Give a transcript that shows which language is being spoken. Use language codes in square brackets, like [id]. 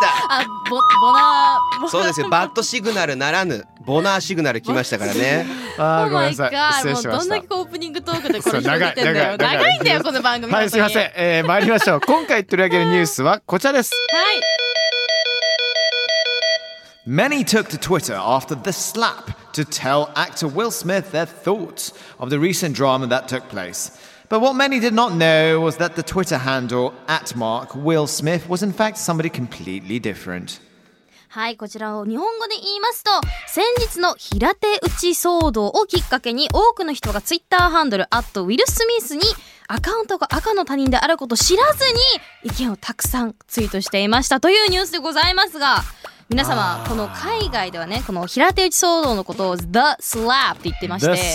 [ja] あ、ボナー。そうですよ、バッドシグナルならぬ、ボナーシグナル来ましたからね。あー、ごめんなさい、失礼しました。どんだけオープニングトークでこれ広げてんだよ。長いんだよ、この番組。はい、すいません、参りましょう。今回取り上げるニュースはこちらです。はい。 [en] Many took to Twitter after the slap to tell actor Will Smith their thoughts of the recent drama that took place. But what many did not know was that the Twitter handle @MarkWillSmith was in fact somebody completely different. [ja] はい、こちらを日本語で言いますと、先日の平手打ち騒動をきっかけに多くの人がツイッターハンドル @WillSmith にアカウントが赤の他人であることを知らずに意見をたくさんツイートしていましたというニュースでございますが、皆様、この海外ではね、この平手打ち騒動のことを The Slap って言ってまして、